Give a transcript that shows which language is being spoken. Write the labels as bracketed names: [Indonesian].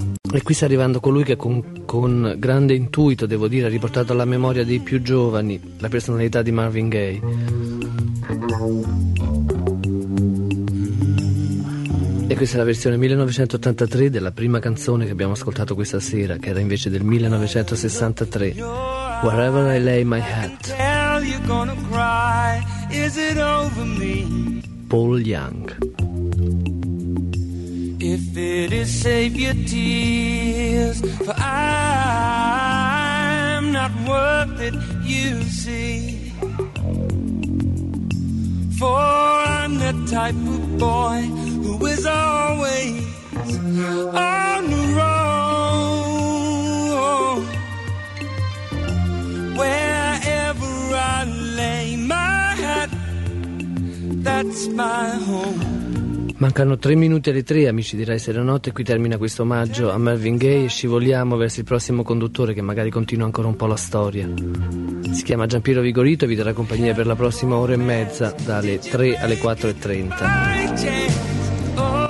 [Italian] E qui sta arrivando colui che con grande intuito, devo dire, ha riportato alla memoria dei più giovani la personalità di Marvin Gaye. E questa è la versione 1983 della prima canzone che abbiamo ascoltato questa sera, che era invece del 1963, Wherever I Lay My Hat. [English] You're gonna cry, is it over me? Paul Young. If it is, save your tears, for I'm not worth it, you see. For I'm the type of boy who is always on the road. Wherever I lay my hat, that's my home. [Italian] Mancano 3 minuti alle 3, amici di Rai Serenotte, qui termina questo omaggio a Marvin Gaye e scivoliamo verso il prossimo conduttore che magari continua ancora un po' la storia. Si chiama Giampiero Vigorito e vi darà compagnia per la prossima ora e mezza, dalle 3 alle 4 e 30.